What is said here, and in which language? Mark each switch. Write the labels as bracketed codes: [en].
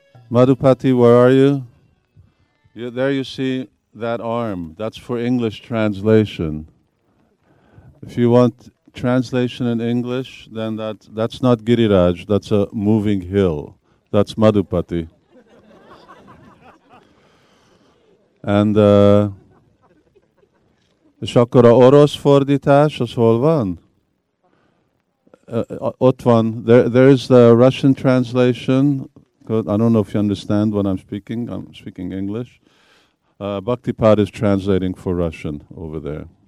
[en] Madhupati, where are you? There you see that arm, that's for English translation. If you want translation in English, then that's not Giriraj, that's a moving hill. That's Madhupati. [hu] And és akkor a orosz fordítás, az hol van? Ott van. [en] There is the Russian translation. I don't know if you understand what I'm speaking. I'm speaking English. Bhaktipad is translating for Russian over there.